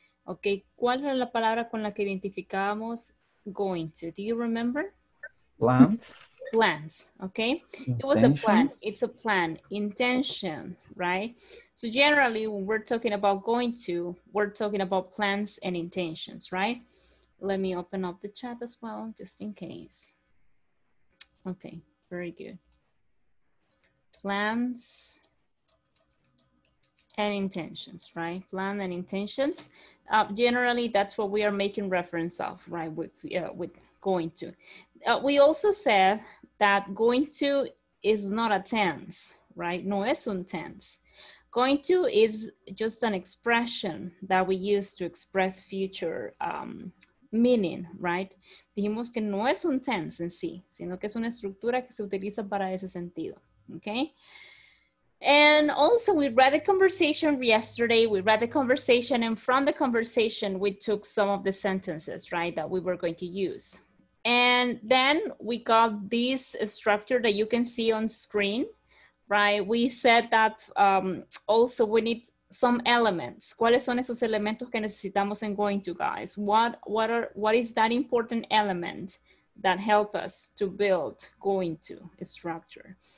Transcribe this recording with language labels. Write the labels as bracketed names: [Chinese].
[Spanish] Okay, ¿cuál era la palabra con la que identificamos going to? [English] Do you remember? Plans. Plans, okay. Intentions. It was a plan, it's a plan, intention, right? So generally, when we're talking about going to, we're talking about plans and intentions, right? Let me open up the chat as well, just in case. Okay, very good. Plans and intentions, right? Plan and intentions. Generally, that's what we are making reference of, right? With going to. We also said that going to is not a tense, right? [Spanish] No es un tense. [English] Going to is just an expression that we use to express future meaning, right? [Spanish] Dijimos que no es un tense en sí, sino que es una estructura que se utiliza para ese sentido. [English] Okay, and also we read the conversation yesterday, we read the conversation, and from the conversation we took some of the sentences, right, that we were going to use. And then we got this structure that you can see on screen, right? We said that also we need some elements. [Spanish] ¿Cuáles son esos elementos que necesitamos en going to, guys? [English] What is that important element that help us to build going to a structure?